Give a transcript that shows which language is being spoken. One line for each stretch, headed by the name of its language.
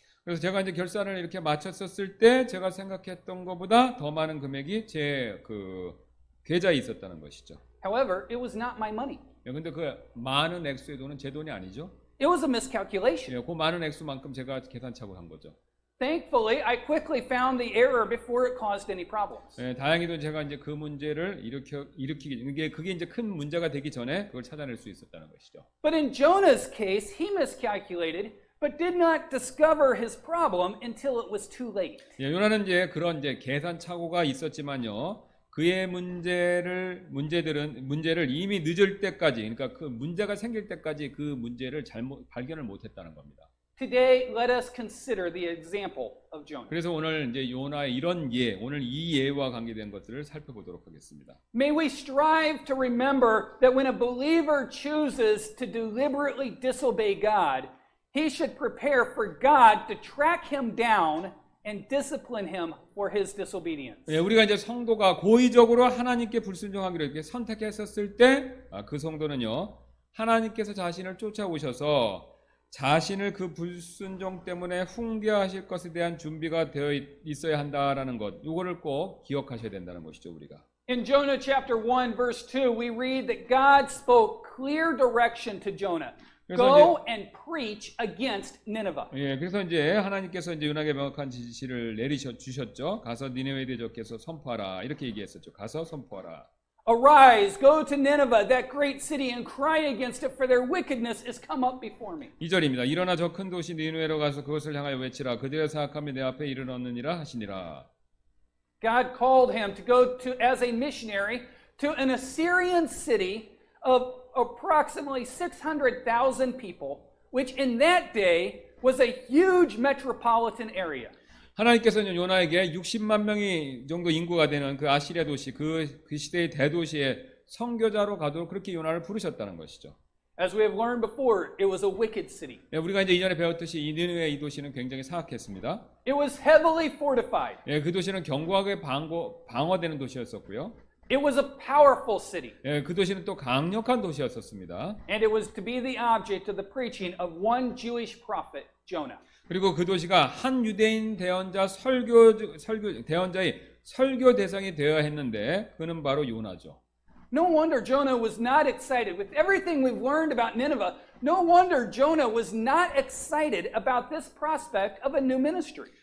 Korean: 그래서 제가 이제 결산을 이렇게 마쳤었을 때 제가 생각했던 것보다 더 많은 금액이 제 그 계좌에 있었다는 것이죠.
English: However, it was not my money.
Korean: 예, 근데 그 많은 액수의 돈은 제 돈이 아니죠.
English: It was a miscalculation.
Korean: 예, 그 많은 액수만큼 제가 계산착오를 한 거죠.
English: Thankfully, I quickly found the error before it caused any problems.
Korean: 예, 다행히도 제가 이제 그 문제를 일으키기 그게 이제 큰 문제가 되기 전에 그걸 찾아낼 수 있었다는 것이죠.
English: But in Jonah's case, he miscalculated but did not discover his problem until it was too late.
Korean: 예, 요나는 이제 그런 이제 계산 착오가 있었지만요. 그의 문제를 이미 늦을 때까지 그러니까 그 문제가 생길 때까지 그 문제를 잘못 발견을 못 했다는 겁니다.
English: Today let us consider the example of Jonah.
Korean: 그래서 오늘 이제 요나의 이런 예, 오늘 이 예와 관계된 것들을 살펴보도록 하겠습니다.
English: May we strive to remember that when a believer chooses to deliberately disobey God, he should prepare for God to track him down and discipline him for his disobedience.
Korean: 예, 우리가 이제 성도가 고의적으로 하나님께 불순종하기로 이렇게 선택했었을 때, 아, 그 성도는요 하나님께서 자신을 쫓아오셔서 자신을 그 불순종 때문에 훈계하실 것에 대한 준비가 되어 있어야 한다라는 것, 이거를 꼭 기억하셔야 된다는 것이죠 우리가.
English: In Jonah chapter 1 verse 2, we read that God spoke clear direction to Jonah. Go and preach against Nineveh.
Korean: 예, 그래서 이제 하나님께서 이제 요나에게 명확한 지시를 주셨죠. 가서 니느웨 대적께서 선포하라. 이렇게 얘기했었죠. 가서 선포하라.
English: Arise, go to Nineveh, that great city, and cry against it, for their wickedness has come up before me.
Korean: 2절입니다. 일어나 저 큰 도시 니느웨로 가서 그것을 향하여 외치라. 그들의 사악함이 내 앞에 일어났느니라 하시니라.
English: God called him to go to as a missionary to an Assyrian city of approximately 600,000 people, which in that day was a huge metropolitan area.
Korean: 하나님께서는 요나에게 60만 명이 정도 인구가 되는 그 아시리아 도시, 그 시대의 대도시에 선교자로 가도록 그렇게 요나를 부르셨다는 것이죠.
English: As we have learned before, it was a wicked city.
Korean: 예, 우리가 이제 이전에 배웠듯이 니느웨 이 도시는 굉장히 사악했습니다.
English: It was heavily fortified.
Korean: 예, 그 도시는 견고하게 방어되는 도시였었고요.
English: It was a powerful city.
Korean: 예, 그 도시는 또 강력한 도시였었습니다.
English: And it was to be the object of the preaching of one Jewish prophet, Jonah.
Korean: 그리고 그 도시가 한 유대인 대언자 대언자의 설교 대상이 되어야 했는데 그는 바로 요나죠.
English: No wonder Jonah was not excited with everything we've learned about Nineveh. No wonder Jonah was not excited about this prospect of a new ministry.